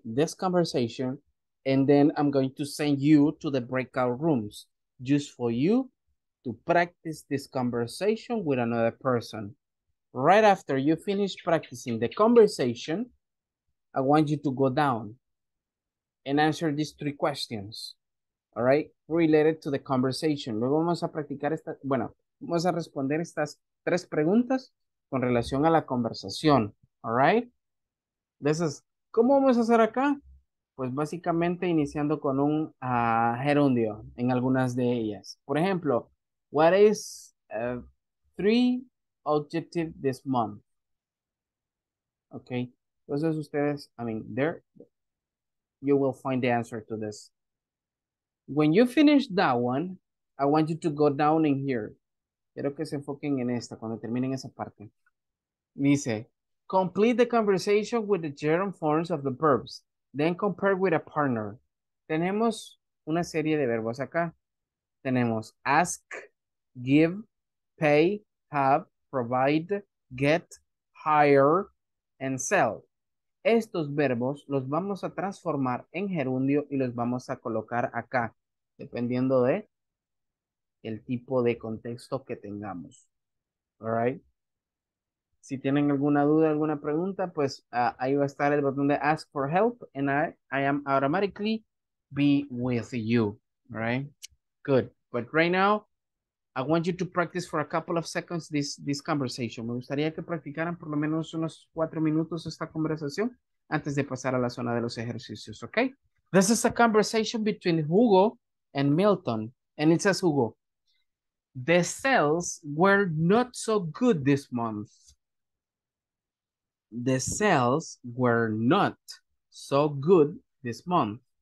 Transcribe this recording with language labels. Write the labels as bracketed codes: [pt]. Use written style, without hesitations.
[en] This conversation, and then I'm going to send you to the breakout rooms just for you to practice this conversation with another person. Right after you finish practicing the conversation, I want you to go down and answer these three questions, all right? Related to the conversation. [es] Luego vamos a practicar esta, bueno, vamos a responder estas tres preguntas con relación a la conversación, all right? Entonces, ¿cómo vamos a hacer acá? Pues básicamente iniciando con un gerundio en algunas de ellas. [en] Por ejemplo, what is three objective this month? Okay, entonces ustedes, I mean, there, you will find the answer to this. When you finish that one, I want you to go down in here. [es] Quiero que se enfoquen en esta, cuando terminen esa parte. [en] Dice, complete the conversation with the gerund forms of the verbs, then compare with a partner. [es] Tenemos una serie de verbos acá. Tenemos ask, give, pay, have, provide, get, hire, and sell. Estos verbos los vamos a transformar en gerundio y los vamos a colocar acá, dependiendo de el tipo de contexto que tengamos. All right? Si tienen alguna duda, alguna pregunta, pues ahí va a estar el botón de ask for help and I am automatically be with you, right? Good. [en] But right now, I want you to practice for a couple of seconds this conversation. [es] Me gustaría que practicaran por lo menos unos 4 minutos esta conversación antes de pasar a la zona de los ejercicios, okay? [en] This is a conversation between Hugo and Milton. And it says, Hugo, the sales were not so good this month. The sales were not so good this month.